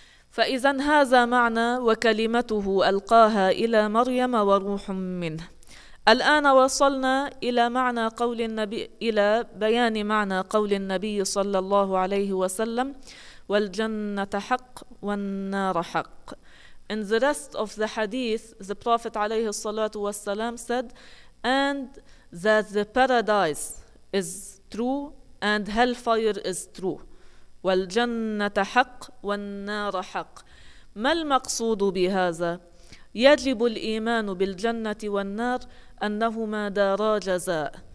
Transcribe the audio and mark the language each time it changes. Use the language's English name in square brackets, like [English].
[Arabic] فإذن هذا معنى وكلمته ألقاها إلى مريم وروح منه. الآن وصلنا إلى معنى قول النبي إلى بيان معنى قول النبي صلى الله عليه وسلم والجنة حق والنار حق. [English] In the rest of the hadith, the Prophet [Arabic] عليه الصلاة والسلام [English] said, and that the paradise is true and hellfire is true. [Arabic] والجنة حق والنار حق. ما المقصود بهذا؟ يجب الإيمان بالجنة والنار أنهما دارا جزاء.